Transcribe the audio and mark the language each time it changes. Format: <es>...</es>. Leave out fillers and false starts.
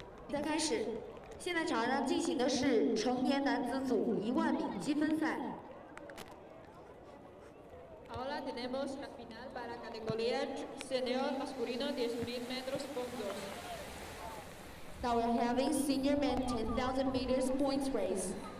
<zh>再开始，现在场上进行的是成年男子组10000米积分赛。</zh> <es>Ahora tenemos la final para la categoría senior masculino 10.000 metros fondos.</es> <en>Now we're having senior men 10,000 meters points race.</en>